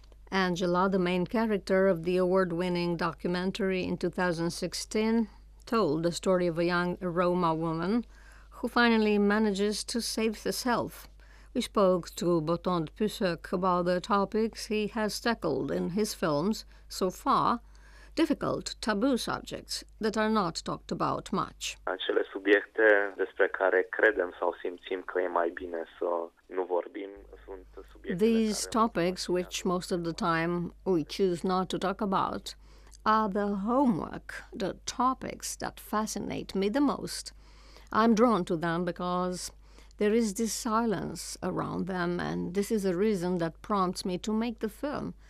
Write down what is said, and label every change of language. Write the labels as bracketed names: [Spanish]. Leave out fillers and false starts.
[English] Angela, the main character of the award-winning documentary in 2016, told the story of a young Roma woman who finally manages to save herself We spoke to Botond Pusek about the topics he has tackled in his films so far, difficult, taboo subjects that are not talked about much. [Romanian] Acele subiecte despre care credem sau simțim că e mai bine să nu vorbim sunt subiecte. [English] These topics, which most of the time we choose not to talk about, are the homework, the topics that fascinate me the most. I'm drawn to them because there is this silence around them, and this is a reason that prompts me to make the film.